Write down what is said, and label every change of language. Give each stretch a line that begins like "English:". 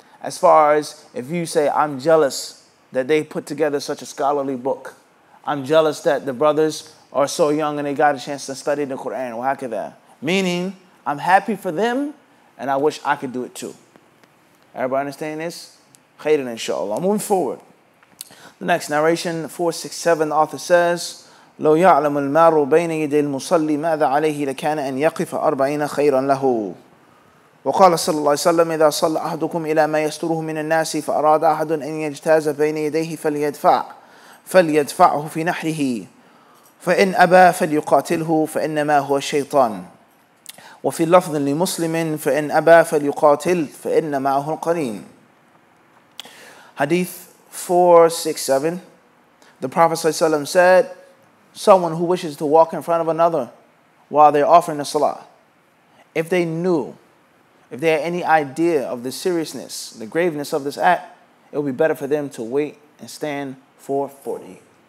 English: As far as if you say, I'm jealous that they put together such a scholarly book. I'm jealous that the brothers are so young and they got a chance to study the Quran.
Arabic: وهكذا.
English: Meaning, I'm happy for them and I wish I could do it too. Everybody understand this? Khayran inshallah. Moving forward. The next narration, 467, the author says,
Arabic: لو يعلم المار بين يدي المصلي ماذا عليه لكان أن يقف أربعين خيرا له. وقال صلى الله عليه وسلم إذا صلى أحدكم إلى ما يستره من الناس فأراد أحد أن يجتاز بين يديه فليدفع فليدفعه في نحره فإن أبى فليقاتله فإنما هو الشيطان وفي اللفظ لمسلم فإن أبى فليقاتل فإن معه القرين.
English: Hadith 467. The Prophet صلى الله عليه وسلم said, someone who wishes to walk in front of another while they're offering a salah, if they knew, if they had any idea of the seriousness, the graveness of this act, it would be better for them to wait and stand for 40.